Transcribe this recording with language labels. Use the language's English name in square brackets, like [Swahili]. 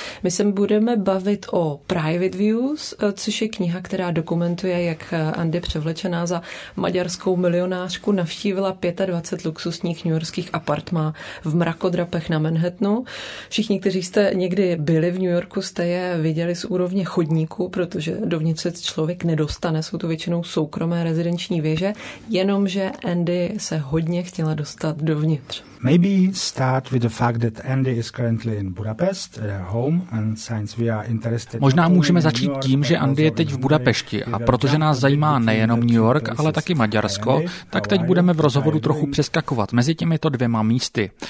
[Czech] My se budeme bavit o Private Views, což je kniha, která dokumentuje, jak Andy převlečená za maďarskou milionářku navštívila 25 luxusních newyorských apartmá v mrakodrapech na Manhattanu. Všichni, kteří jste někdy byli v New Yorku, jste je viděli z úrovně chodníku, protože dovnitř se člověk nedostane, jsou to většinou soukromé rezidenční věže, jenom že Andy se hodně chtěla dostat dovnitř. [English] Maybe start with the fact that Andy is currently in Budapest, their home, and since we are interested. [Czech] Možná můžeme začít tím, že Andy je teď v Budapešti a protože nás zajímá nejenom New York, ale taky Maďarsko, tak teď budeme v rozhovoru trochu přeskakovat mezi těmito dvěma místy.